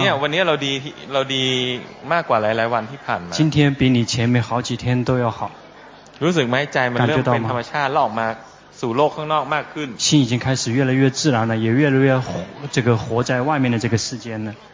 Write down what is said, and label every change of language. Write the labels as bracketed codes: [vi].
[th] เนี่ยวันนี้เราดีมากกว่าหลายๆวันที่ผ่านมา [zh] 今天比你前面好几天都要好 [th] รู้สึกไหมใจมันเริ่มเป็นธรรมชาติออกมาสู่โลกข้างนอกมากขึ้น [zh] 心已经开始越来越自然了也越来越这个活在外面的这个世间了